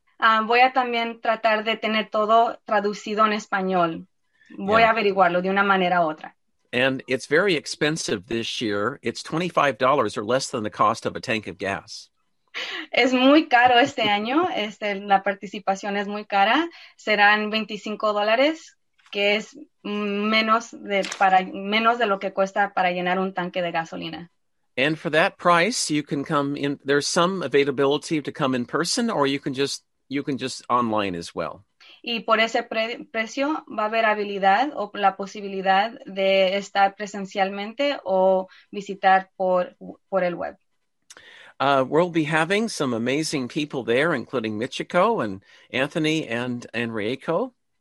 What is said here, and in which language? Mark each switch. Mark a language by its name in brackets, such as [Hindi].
[Spanish] Voy a también tratar de tener todo traducido en español. Voy a averiguarlo de una manera u otra. [English] And it's very expensive this year. It's $25 or less than the cost of a tank of gas. [Spanish] Es muy caro este año, la participación es muy cara, serán $25, que es menos de lo que cuesta para llenar un tanque de gasolina. [English] And for that price, you can come in, there's some availability to come in person, or you can just online as well. [Spanish] Y por ese precio va a haber habilidad o la posibilidad de estar presencialmente o visitar por el web. [English] We'll be having some amazing people there, including Michiko and Anthony and Rieko.